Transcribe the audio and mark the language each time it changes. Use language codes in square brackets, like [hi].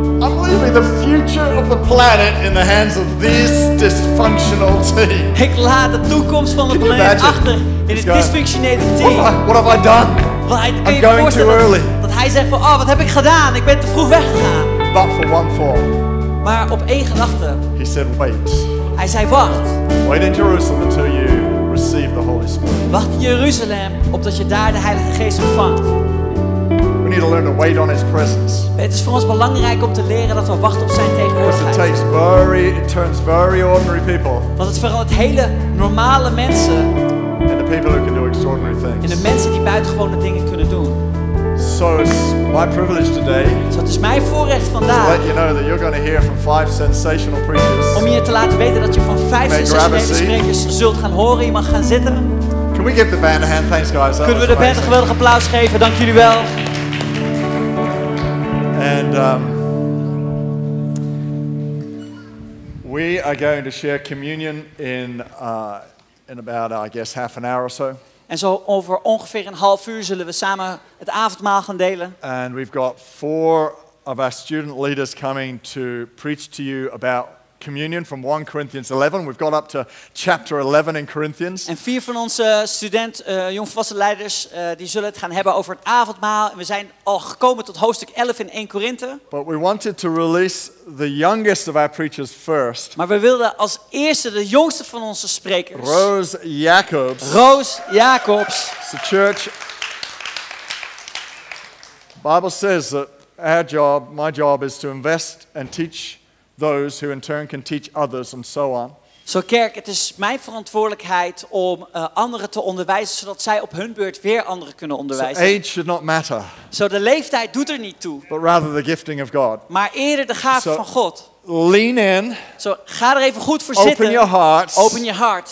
[en] I'm leaving the future of the planet in the hands of this dysfunctional team. [nl] Ik laat de toekomst van de planeet achter in het dysfunctionele team. [en] What have I done? I'm going too early. [nl] Dat hij zegt van, oh, wat heb ik gedaan? Ik ben te vroeg weggegaan. [en] But for one thought. [nl] Maar op één gedachte. [en] He said, wait. [nl] Hij zei, wacht. [en] Wait in Jerusalem until you receive the Holy Spirit. [nl] Wacht in Jeruzalem opdat je daar de Heilige Geest ontvangt. [en] We need to learn to wait on His presence. [nl] Het is voor ons belangrijk om te leren dat we wachten op zijn tegenwoordigheid. [en] Because it takes very, it turns very ordinary people. [nl] Want het verandert hele normale mensen. [en] And the people who can do extraordinary things. [nl] En de mensen die buitengewone dingen kunnen doen. [en] So it's my privilege today. [nl] Zo het is mijn voorrecht vandaag. [en] To let you know that you're going to hear from 5 sensational preachers. [nl] Om je te laten weten dat je van 5 sensationele sprekers zult gaan horen. Je mag gaan zitten. [en] Can we give the band a hand? Thanks, guys. [nl] Kunnen we de band een geweldig applaus geven? Dank jullie wel. [en] And we are going to share communion in about, I guess, half an hour or so. [nl] En zo over ongeveer een half uur zullen we samen het avondmaal gaan delen. [en] And we've got 4 of our student leaders coming to preach to you about communion from 1 Corinthians 11. We've got up to chapter 11 in Corinthians. [nl] En 4 van onze student jongvolwassen leiders die zullen het gaan hebben over het avondmaal. En we zijn al gekomen tot hoofdstuk 11 in 1 Corinthe. [en] But we wanted to release the youngest of our preachers first. [nl] Maar we wilden als eerste de jongste van onze sprekers. [en] Rose Jacobs. So church. Bible says that my job is to invest and teach those who in turn can teach others and so on. [nl] Zo kerk, het is mijn verantwoordelijkheid om anderen te onderwijzen zodat zij op hun beurt weer anderen kunnen onderwijzen. [en] So age should not matter. [nl] Zo de leeftijd doet er niet toe. [en] But rather the gifting of God. [nl] Maar eerder de gave van God. [en] Lean in. [nl] Zo ga er even goed voor open zitten. [en] Open your heart.